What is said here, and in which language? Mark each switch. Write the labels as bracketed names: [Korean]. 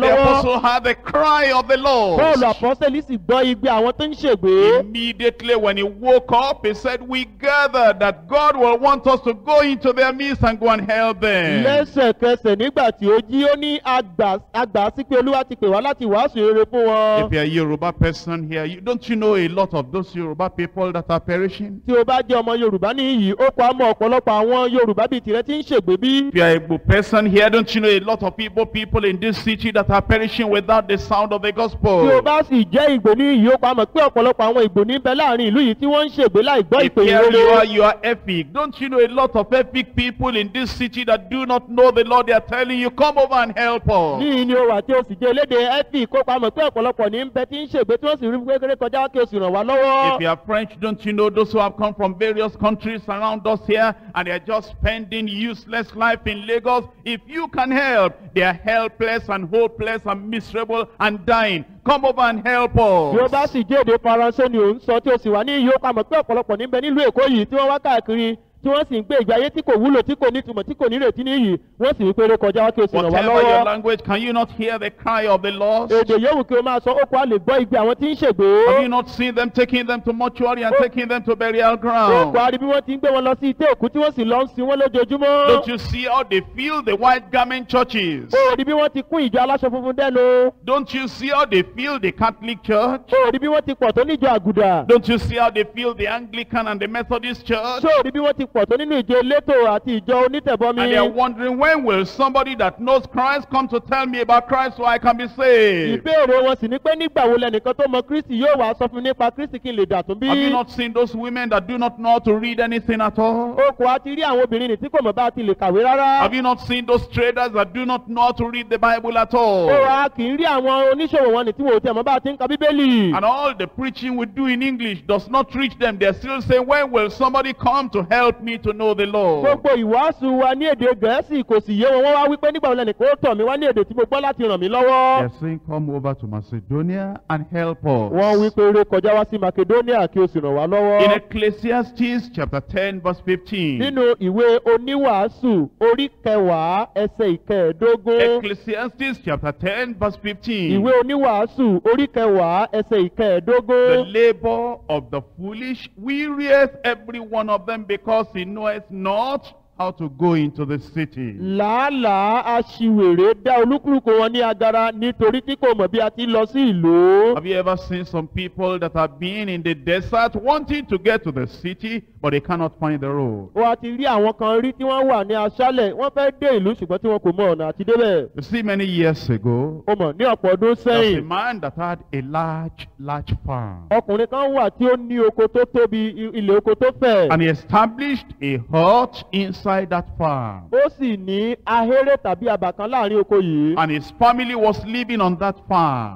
[English] Paul the apostle had the cry of the Lord. [Yoruba] Paulu apọ́sẹ̀lì sì gbọ́ igbe àwọn tó ń ṣègbè. [English] Immediately when he woke up, he said, "We gather that God will want us to go into their midst and go and help them." [Yoruba] Lẹ́sẹ̀kẹsẹ̀ nígbà tí ó jí, ó ní àgbà sí pé Olúwa ti pè wá láti wá sùúrù fún wọn. [English] If you're a Yoruba person here, don't you know a lot of those Yoruba people that are perishing? [Yoruba] Tí o bá jẹ́ ọmọ Yorùbá níyì, ó kọ́ àmọ́ ọ̀pọ̀lọpọ̀ àwọn Yorùbá bíi tirẹ̀ ti ń ṣègbè bí. [English] If you're a Igbo person here, don't you know a lot of people in this city that are perishing without the sound of the gospel? [Yoruba] Tí o bá sì jẹ́ Igbo níyì, ó kọ́ àmọ́ pé ọ̀pọ̀lọpọ̀ àwọn Igbo níbẹ̀ láàrin ìlú yìí tí wọ́n ń ṣègbè láì gbọ́ ìpè ìrere. [English] If you are Efik, don't you know a lot of Efik people in this city that do not know the Lord? They are telling you, come over and help us. [Yoruba] Níyì ni o wà tí o sì jẹ́ elédè Efik, ó kọ́ àmọ́ pé ọ̀pọ̀lọpọ̀ ní bẹ tí ń ṣègbè tí wọ́n sì rí kékeré kọjá kí o sì ràn wá lọ́wọ́. [English] If you are French, don't you know those who have come from various countries around us here and they are just spending useless life in Lagos? If you can help, they are helpless and hopeless and miserable and dying. Come over and help us. [Yoruba] Bí o bá sì jẹ́ èdè Faransé ni ò ń sọ, tí o sì wà ní Yorùbá, mọ̀ pé ọ̀pọ̀lọpọ̀ níbẹ̀ nílùú Èkó yìí tí wọ́n wá káàkiri, tí wọ́n sì ń gbé ìgbé ayé tí kò wúlò, tí kò nítumọ̀, tí kò nírètí níyì, wọ́n sì wípé ré kọjá wá kí o sì ràn wá lọ́wọ́. [English] Whatever your language, can you not hear the cry of the lost? [Yoruba] Èdè yóò wù kí o máa sọ, ó kọ́ a lè gbọ́ igbe àwọn tí ń ṣègbè. [English] Have you not seen them taking them to mortuary and taking them to burial ground? [Yoruba] Ó kọ́ a rí bí wọ́n ti ń gbé wọn lọ sí ilé òkú tí wọ́n sì lọ ń sin wọ́n lójoojúmọ́. [English] Don't you see how they fill the white garment churches? [Yoruba] Ó rí bí wọ́n ti kún ìjọ aláṣọ funfun dẹ́nu. [English] Don't you see how they fill the Catholic church? [Yoruba] Ó rí bí wọ́n ti pọ̀ tó níjọ àgùdà. [English] Don't you see how they fill the Anglican and the Methodist church? [Yoruba] Ó rí bí wọ́n ti pọ̀ tó nínú ìjọ elétò àti ìjọ onítẹ̀bọmi. [English] And they are wondering, when will somebody that knows Christ come to tell me about Christ so I can be saved? [Yoruba] Ìbéèrè wọn sì ni pé nígbà wo lẹnìkan tó mọ Kristi yóò wá sọ fún nípa Kristi kí n lè dà tún bí. [English] Have you not seen those women that do not know how to read anything at all? [Yoruba] O kò á ti rí àwọn obìnrin ní tí kò mọ̀ bá ti lè kàwé rárá. [English] Have you not seen those traders that do not know how to read the Bible at all? [Yoruba] O wa kì í rí àwọn oníṣòwò wọn ní tí wọn ò tiẹ̀ mọ̀ bá ti ń ka Bíbélì. [English] And all the preaching we do in English does not reach them. They are still saying, when will somebody come to help me to know the Lord? [Yoruba] Gbogbo ìwàásù wa ní èdè Gẹ̀ẹ́sì kò sì yé wọn. Wọ́n wá wípé nígbà wo lẹnìkan ó tọ̀ mí wá ní èdè tí mo gbọ́ láti ràn mí lọ́wọ́. [English] They are saying, come over to Macedonia and help us. [Yoruba] Wọ́n wí pé ré kọjá wá sí Macedonia kí o sì ràn wá lọ́wọ́. [English] In Ecclesiastes chapter 10 verse 15. [Yoruba] Nínú ìwé oníwàásù orí kẹwàá ẹsẹ̀ ìkẹẹ̀dógún. [English] Ecclesiastes chapter 10 verse 15. [Yoruba] Ìwé oníwàásù orí kẹwàá ẹsẹ̀ ìkẹẹ̀dógún. [English] The labor of the foolish wearieth every one of them because he knoweth not how to go into the city. [Yoruba] Làálàá aṣiwèrè dá olúkúlùkù wọn ní agara nítorí tí kò mọ̀ bí a ti lọ sí ìlú. [English] Have you ever seen some people that have been in the desert wanting to get to the city but they cannot find the road? [Yoruba] Wọ́n ti rí àwọn kan rí tí wọ́n wà ní aṣálẹ̀, wọ́n fẹ́ dé ìlú ṣùgbọ́n tí wọn kò mọ ọ̀nà àti débẹ̀. [English] You see, many years ago, [Yoruba] o mọ̀ ní ọ̀pọ̀ ọdún sẹ́yìn, [English] there was a man that had a large farm. [Yoruba] Ọkùnrin kan wà tí ó ní oko tó tóbi, ilẹ̀ oko tó fẹ̀. [English] And he established a hut inside that farm. [Yoruba] Ó sì ní ahéré tàbí àbá kan láàrin oko yìí. [English] And his family was living on that farm.